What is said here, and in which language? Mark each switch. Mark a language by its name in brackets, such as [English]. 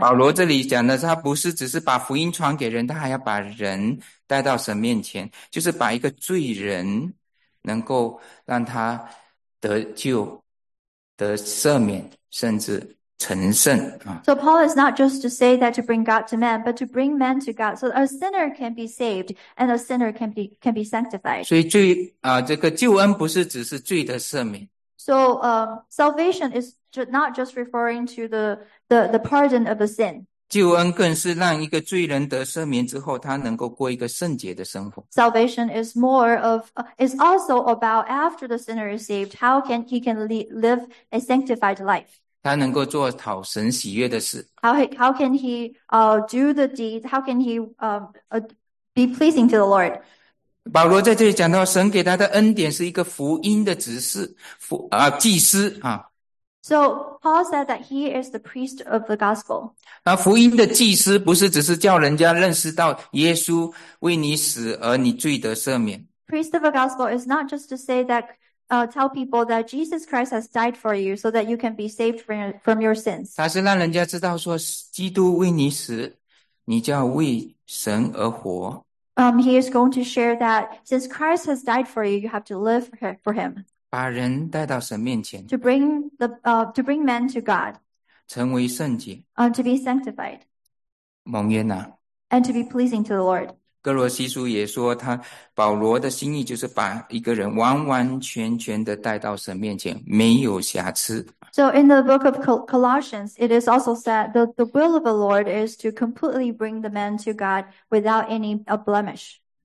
[Chinese] 保罗这里讲的是他不是只是把福音传给人，他还要把人带到神面前，就是把一个罪人能够让他得救、得赦免，甚至成圣。 [English] So Paul is not just to say that to bring God to man, but to bring man to God, so a sinner can be saved and a sinner can be sanctified. [Chinese] 所以罪啊，这个救恩不是只是罪的赦免。 [English] So salvation is not just referring to the pardon of a sin. [Chinese] 救恩更是让一个罪人得赦免之后，他能够过一个圣洁的生活。 [English] Salvation is more of is also about after the sinner is saved, how can he can live a sanctified life? [Chinese] 他能够做讨神喜悦的事。 [English] How can he do the deed? How can he be pleasing to the Lord? [Chinese] 保罗在这里讲到神给他的恩典是一个福音的执事祭司啊。 [English] So, Paul said that he is the priest of the gospel. [Chinese] 福音的祭司不是只是叫人家认识到耶稣为你死而你罪得赦免。 [English] Priest of the gospel is not just to say that, tell people that Jesus Christ has died for you so that you can be saved from your sins. [Chinese] 他是让人家知道说基督为你死你就要为神而活。 [English] He is going to share that since Christ has died for you, you have to live for him. [Chinese] 把人带到神面前。 [English] To bring men to God. [Chinese] 成为圣洁。 [English] To be sanctified. [Chinese] 蒙悦纳。 [English] And to be pleasing to the Lord. [Chinese] 哥罗西书也说他保罗的心意就是把一个人完完全全的带到神面前没有瑕疵。 [English] So in the book of Colossians, it is also said that the will of the Lord is to completely bring the man to God without any blemish.